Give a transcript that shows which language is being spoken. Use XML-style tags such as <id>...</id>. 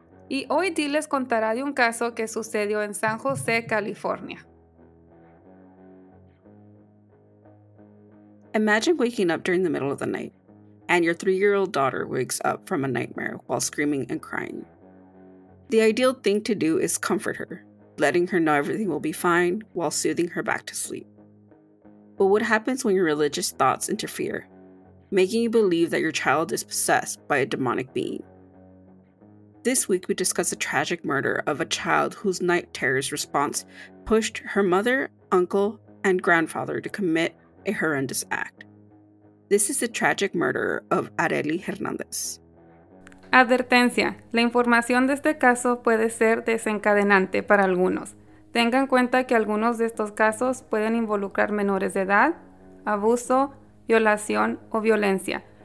<es>Y hoy Dee les contará de un caso que sucedió en San José, California.</es> <en>Imagine waking up during the middle of the night and your three-year-old daughter wakes up from a nightmare while screaming and crying. The ideal thing to do is comfort her, letting her know everything will be fine while soothing her back to sleep. But what happens when your religious thoughts interfere, making you believe that your child is possessed by a demonic being? This week, we discuss the tragic murder of a child whose night terrors response pushed her mother, uncle, and grandfather to commit a horrendous act. This is the tragic murder of Arely Hernández.</en> <es>Advertencia: la información de este caso puede ser desencadenante para algunos. Tenga en cuenta que algunos de estos casos pueden involucrar menores de edad, abuso, violación o violencia.</es>